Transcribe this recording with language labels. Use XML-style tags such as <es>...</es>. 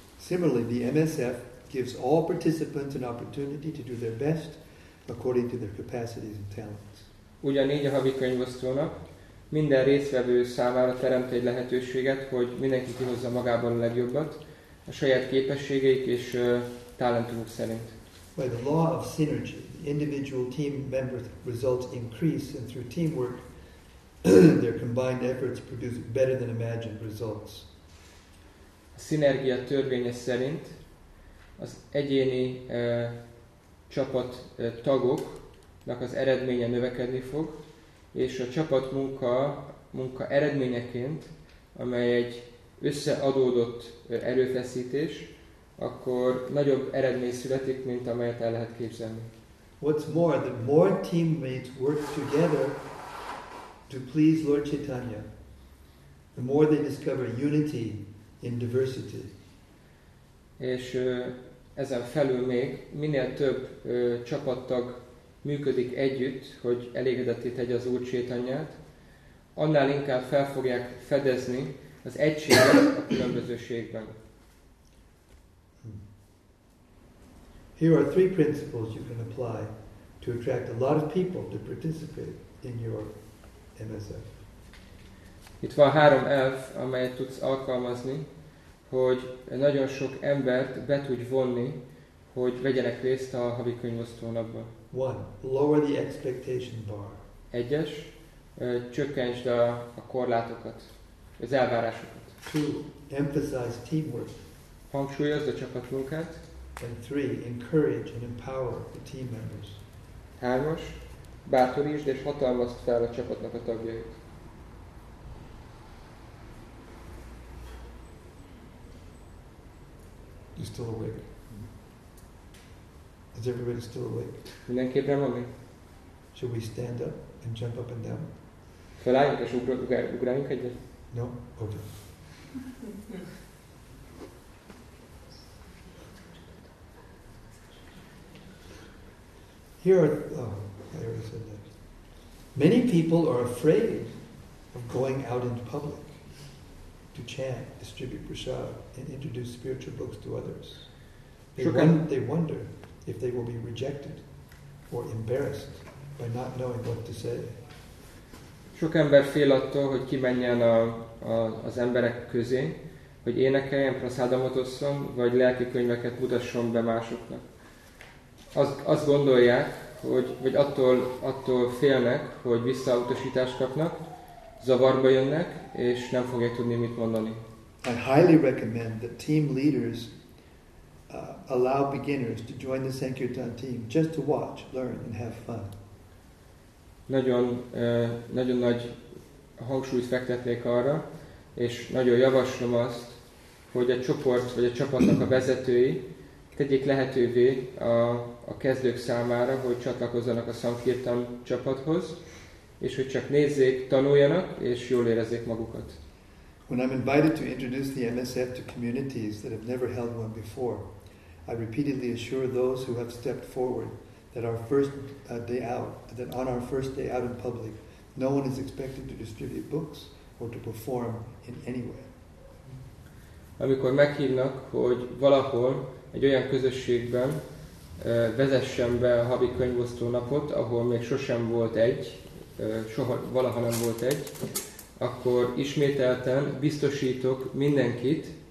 <en>Similarly, the MSF gives all participants an opportunity to do their best according to their capacities and talents.</en> <hu>Ugyanígy a havi könyvosztónak minden résztvevő számára teremt egy lehetőséget, hogy mindenki kihozza magából a legjobbat, a saját képességeik és talentumok szerint.</hu> <en>By the law of synergy, individual team members' results increase, and through teamwork, their combined efforts produce better than imagined results.</en> <hu>A szinergia törvénye szerint az egyéni csapat tagoknak az eredménye növekedni fog, és a csapat munka eredményeként, amely egy összeadódott erőfeszítés, akkor nagyobb eredmény születik, mint amelyet el lehet képzelni.</hu> <en>What's more, the more teammates work together to please Lord Chaitanya, the more they discover unity in diversity.</en> <hu>És ezen felül még minél több csapattag működik együtt, hogy elégedetté tegye az Úr Chaitanyát, annál inkább fel fogják fedezni az egységet a különbözőségben.</hu> <en>Here are three principles you can apply to attract a lot of people to participate in your MSF.</en> <hu>Itt van három elv, amelyet tudsz alkalmazni, hogy nagyon sok embert be tudj vonni, hogy vegyenek részt a havi könyvosztó napban.</hu> <en>One, lower the expectation bar.</en> <hu>Egyes, csökkentsd a korlátokat, az elvárásokat.</hu> <en>Two, emphasize teamwork.</en> <hu>Hangsúlyozd a csapatmunkát.</hu> <en>And three, encourage and empower the team members.</en> <hu>Hármas, bátorítsd és hatalmazd fel a csapatnak a tagjait.</hu> <en>You still awake? Is everybody still awake?</en> <hu>Mindenki ébren van még?</hu> <en>Should we stand up and jump up and down?</en> <hu>Felálljunk és ugráljunk egyet?</hu> <en>No? Okay. Here are, oh, I already said that. Many people are afraid of going out into public to chant, distribute prasad, and introduce spiritual books to others. They wonder if they will be rejected or embarrassed by not knowing what to say.</en> <hu>Sok ember fél attól, hogy kimenjen az emberek közé, hogy énekeljen, prasadamot osszon, vagy lelki könyveket mutasson be másoknak. Azt gondolják, hogy vagy attól félnek, hogy visszautasítást kapnak, zavarba jönnek, és nem fogják tudni mit mondani.</hu> <en>I highly recommend that team leaders allow beginners to join the Sankirtan team just to watch, learn and have fun.</en> <hu>Nagyon nagy hangsúlyt fektetnék arra, és nagyon javaslom azt, hogy a csoport vagy a csapatnak a vezetői tegyék lehetővé a kezdők számára, hogy csatlakozzanak a Sankirtan csapathoz, és hogy csak nézzék, tanuljanak, és jól érezzék magukat.</hu> <en>When I'm invited to introduce the MSF to communities that have never held one before, I repeatedly assure those who have stepped forward that our first day out, that on our first day out in public, no one is expected to distribute books or to perform in any way.</en> <hu>Amikor meghívnak, hogy valahol egy olyan közösségben vezessem be a havi könyvosztó napot, ahol még sosem volt egy, soha, valaha nem volt egy, akkor ismételten biztosítok mindenkit,</hu>